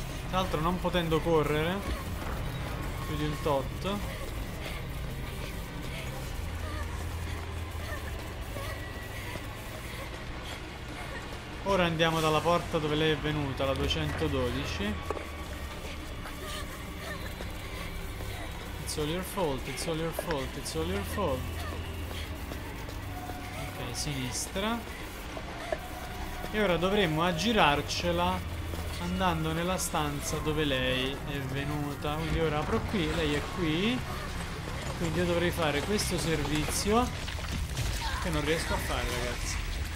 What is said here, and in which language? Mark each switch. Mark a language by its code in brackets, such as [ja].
[it] Tra l'altro, non potendo correre più di un tot. Ora andiamo dalla porta dove lei è venuta, la 212. [en] all your fault, it's all your fault, it's all your fault. [it] Ok, sinistra. E ora dovremmo aggirarcela andando nella stanza dove lei è venuta. Quindi ora apro qui, lei è qui. Quindi io dovrei fare questo servizio, che non riesco a fare, ragazzi.